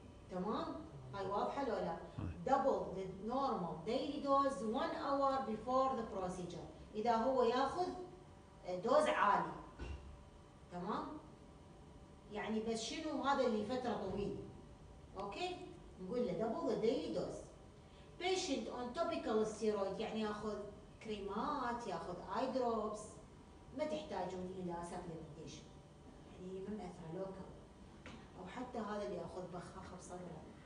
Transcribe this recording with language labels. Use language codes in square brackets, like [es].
[ar] تمام، هاي واضحه لو لا؟ [en] double the normal daily dose 1 hour before the procedure [ar] إذا هو يأخذ دوز عالي. تمام، يعني بس شنو هذا اللي فترة طويلة. أوكي، نقول له [en] double the daily dose. patient on topical steroid [ar] يعني يأخذ كريمات، يأخذ eye drops، ما تحتاجون إلى supplementation، يعني من أثر local أو حتى هذا اللي يأخذ بخاخة بصدرة.